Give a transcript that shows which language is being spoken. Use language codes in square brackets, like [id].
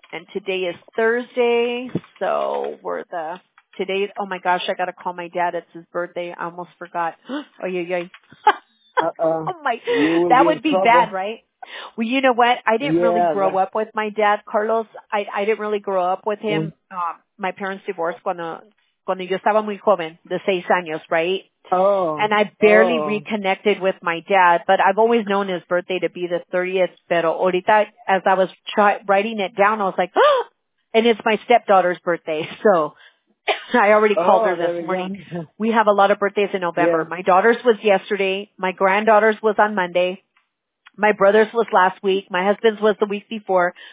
[en] And today is Thursday, so we're the – today – oh, my gosh, I got to call my dad. It's his birthday. I almost forgot. Oh, yay, yay. Oh, my. That would be bad, right? Well, you know what? I didn't really grow up with my dad, Carlos. I didn't really grow up with him. My parents divorced [es] cuando yo estaba muy joven, [en] the 6 [es] años, [en] right? And I barely reconnected with my dad, but I've always known his birthday to be the 30th, [es] pero ahorita, [en] as I was writing it down, I was like, and it's my stepdaughter's birthday, so I already called her this morning. We have a lot of birthdays in November. Yeah. My daughter's was yesterday, my granddaughter's was on Monday, my brother's was last week, my husband's was the week before.